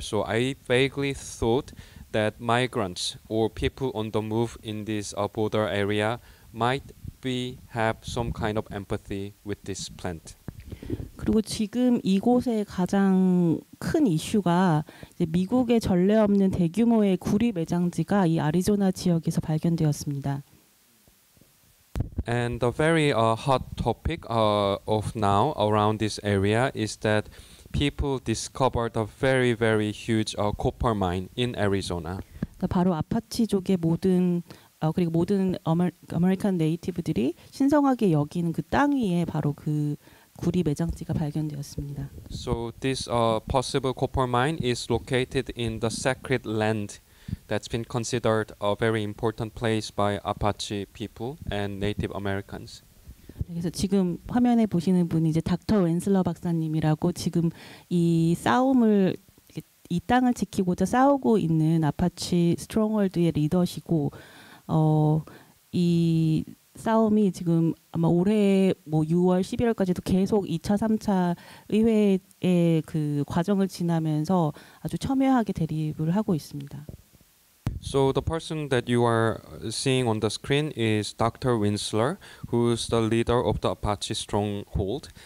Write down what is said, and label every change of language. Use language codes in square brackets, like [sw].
[en] So I vaguely thought that migrants or people on the move in this border area might be have some kind of empathy with this plant. [ko] 그리고 지금 이곳의 가장 큰 이슈가 이제 미국의 전례 없는 대규모의 구리 매장지가 이 아리조나 지역에서 발견되었습니다. [en] And the very hot topic of now around this area is that people discovered a very, very huge copper mine in Arizona. [ko] 바로 아파치족의 모든 그리고 모든 아메리칸 네이티브들이 신성하게 여긴 그 땅 위에 바로 그 구리 매장지가 발견되었습니다. [en] So this possible copper mine is located in the sacred land that's been considered a very important place by Apache people and Native Americans. [ko] 그래서 지금 화면에 보시는 분이 이제 닥터 웬슬러 박사님이라고 지금 이 싸움을 이 땅을 지키고자 싸우고 있는 아파치 스트롱홀드의 리더시고 이 싸움이 지금 아마 올해 뭐 6월 11월까지도 계속 2차 3차 의회의 그 과정을 지나면서 아주 첨예하게 대립을 하고 있습니다. [en] So the person that you are seeing on the screen is Dr. Winsler, who's the leader of the Apache Stronghold.